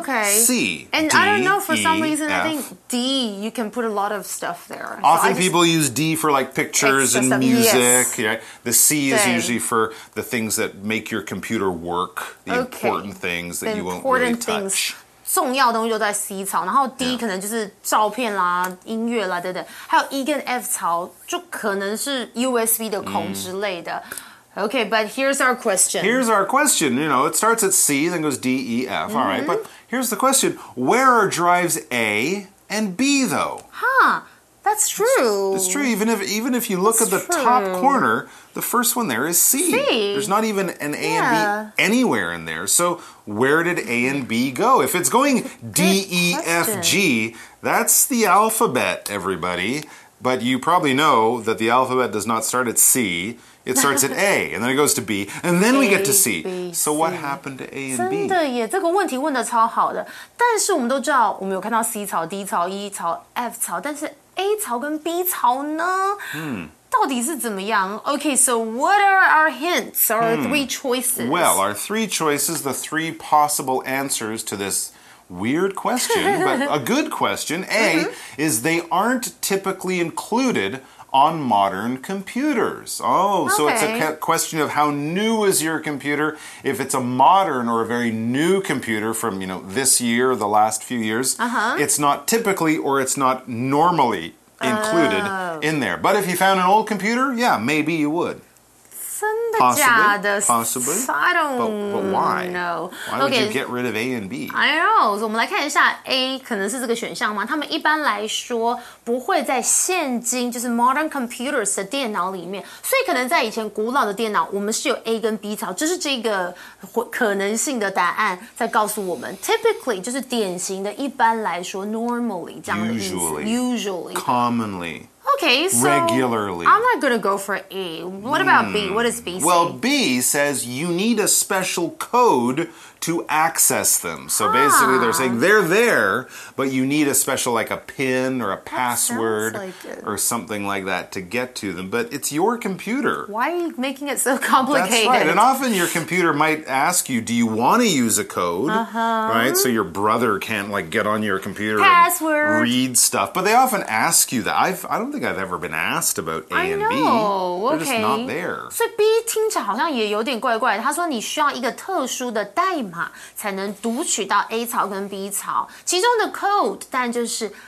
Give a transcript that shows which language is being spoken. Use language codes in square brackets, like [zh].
[en] Okay. C, and D, I don't know, for some reason, F. I think D, you can put a lot of stuff there. Often people use D for like pictures and music. Yes. Yeah. The C is usually for the things that make your computer work, the important things that you won't really touch. [zh] 重要的东西就在 C 槽，然后 D 可能就是照片啦、音乐啦等等，还有 E 跟 F 槽就可能是 USB 的孔之类的。 [en] Okay, but here's our question. Here's our question. You know, it starts at C, then goes D, E, F. All right, but here's the question: where are drives A and B though? Huh? That's true. It's true. Even if you look at the top corner, the first one there is C. There's not even an A and B anywhere in there. So where did A and B go? If it's going D, E, F, G, that's the alphabet, everybody. But you probably know that the alphabet does not start at C. It starts at A, and then it goes to B, and then we get to C. So what happened to A and B? [zh] 真的耶，这个问题问得超好的。但是我们都知道，我们有看到 C 槽、D 槽、E 槽、F 槽，但是 A 槽跟 B 槽呢？到底是怎么样 [en] ？Okay, so what are our hints? Our three choices. Well, our three choices, the three possible answers to this weird question, but a good question. A is they aren't typically included on modern computers. So it's a question of how new is your computer. If it's a modern or a very new computer from, you know, this year or the last few years, it's not typically or it's not normally. Included in there. But if you found an old computer, yeah, maybe you would. [zh] 真的假的? [en] Possibly. I don't why? Know. Why would you get rid of A and B? I know. [zh] So, 我们来看一下 A 可能是这个选项吗?他们一般来说不会在现今就是 [en] modern computers [zh] 的电脑里面。所以可能在以前古老的电脑我们是有 A 跟 B 槽就是这个可能性的答案在告诉我们。 Typically, 就是典型的一般来说 normally, 这样的意思。 [en] Usually. Commonly. Okay, so regularly. I'm not going to go for A. What about B? What does B say? Well, B says you need a special code to access them. So basically they're saying they're there, but you need a special like a PIN or a password or something like that to get to them. But it's your computer. Why are you making it so complicated? That's right. And often your computer might ask you, do you want to use a code? Right? So your brother can't like get on your computer password. And read stuff. But they often ask you that. I don't think I've ever been asked about A and B. I know. They're just not there. [zh] 所以 B 听起来好像也有点怪怪的。他说你需要一个特殊的代码才能读取到 A 槽跟 B 槽。其中的 code 当然就是